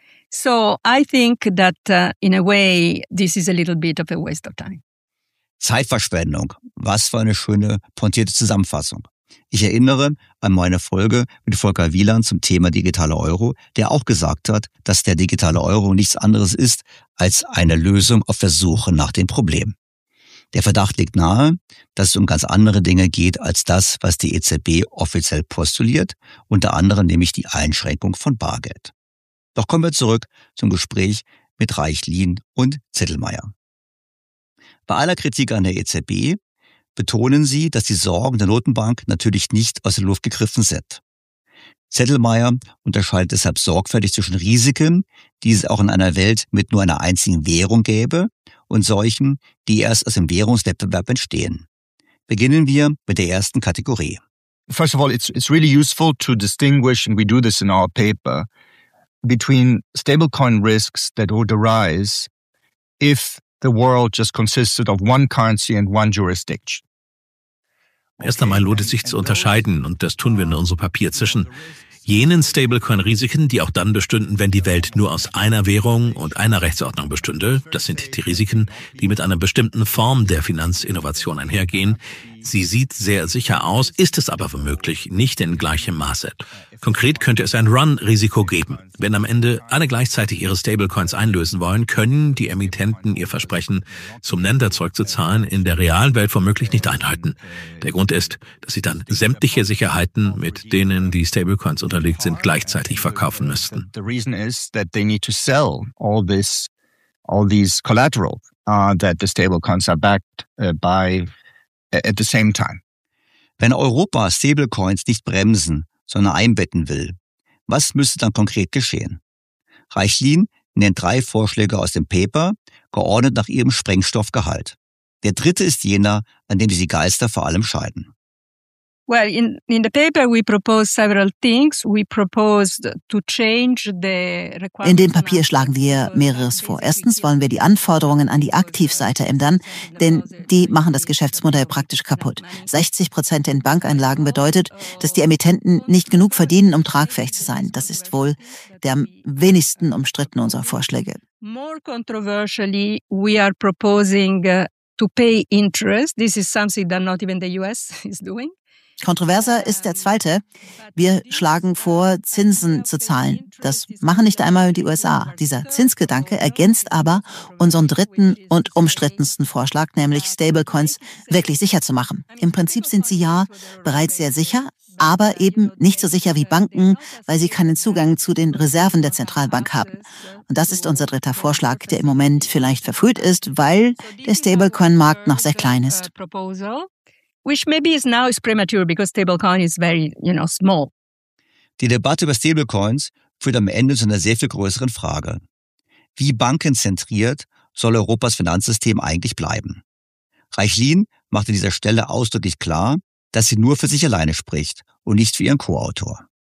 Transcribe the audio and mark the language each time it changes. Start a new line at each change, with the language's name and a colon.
English: So, I think that in a way this is a little bit of a waste of time.
German: Zeitverschwendung. Was für eine schöne pointierte Zusammenfassung. Ich erinnere an meine Folge mit Volker Wieland zum Thema digitaler Euro, der auch gesagt hat, dass der digitale Euro nichts anderes ist als eine Lösung auf der Suche nach dem Problem. Der Verdacht liegt nahe, dass es um ganz andere Dinge geht als das, was die EZB offiziell postuliert, unter anderem nämlich die Einschränkung von Bargeld. Doch kommen wir zurück zum Gespräch mit Reichlin und Zettelmeier. Bei aller Kritik an der EZB betonen sie, dass die Sorgen der Notenbank natürlich nicht aus der Luft gegriffen sind. Zettelmeier unterscheidet deshalb sorgfältig zwischen Risiken, die es auch in einer Welt mit nur einer einzigen Währung gäbe, und solchen, die erst aus dem Währungswettbewerb entstehen. Beginnen wir mit der ersten Kategorie.
English: First of all, it's really useful to distinguish, and we do this in our paper, between stablecoin risks that would arise if the world just consisted of one currency and one jurisdiction.
German: Erst einmal lohnt es sich zu unterscheiden, und das tun wir in unserem Papier, zwischen jenen Stablecoin-Risiken, die auch dann bestünden, wenn die Welt nur aus einer Währung und einer Rechtsordnung bestünde. Das sind die Risiken, die mit einer bestimmten Form der Finanzinnovation einhergehen. Sie sieht sehr sicher aus, ist es aber womöglich nicht in gleichem Maße. Konkret könnte es ein Run-Risiko geben. Wenn am Ende alle gleichzeitig ihre Stablecoins einlösen wollen, können die Emittenten ihr Versprechen, zum Nennwert zurückzuzahlen, in der realen Welt womöglich nicht einhalten. Der Grund ist, dass sie dann sämtliche Sicherheiten, mit denen die Stablecoins unterlegt sind, gleichzeitig verkaufen müssten.
English: The reason is that they need to sell all these collateral that the stablecoins are backed by at the same time.
German: Wenn Europa Stablecoins nicht bremsen, sondern einbetten will, was müsste dann konkret geschehen? Reichlin nennt drei Vorschläge aus dem Paper, geordnet nach ihrem Sprengstoffgehalt. Der dritte ist jener, an dem sich die Geister vor allem scheiden.
English: Well, in the paper we propose several things. We proposed to change the requirements.
German: In dem Papier schlagen wir mehreres vor. Erstens wollen wir die Anforderungen an die Aktivseite ändern, denn die machen das Geschäftsmodell praktisch kaputt. 60% in Bankeinlagen bedeutet, dass die Emittenten nicht genug verdienen, um tragfähig zu sein. Das ist wohl der am wenigsten umstrittene unserer Vorschläge.
English: More controversially, we are proposing to pay interest. This is something that not even the US is doing.
German: Kontroverser ist der zweite. Wir schlagen vor, Zinsen zu zahlen. Das machen nicht einmal die USA. Dieser Zinsgedanke ergänzt aber unseren dritten und umstrittensten Vorschlag, nämlich Stablecoins wirklich sicher zu machen. Im Prinzip sind sie ja bereits sehr sicher, aber eben nicht so sicher wie Banken, weil sie keinen Zugang zu den Reserven der Zentralbank haben. Und das ist unser dritter Vorschlag, der im Moment vielleicht verfrüht ist, weil der Stablecoin-Markt noch sehr klein ist.
English: Which maybe is now is premature because stablecoin is very, you know, small.
German: Die Debatte über Stablecoins führt am Ende zu einer sehr viel größeren Frage. Wie bankenzentriert soll Europas Finanzsystem eigentlich bleiben? Reichlin macht an dieser Stelle ausdrücklich klar, dass sie nur für sich alleine spricht und nicht für ihren Co-Autor.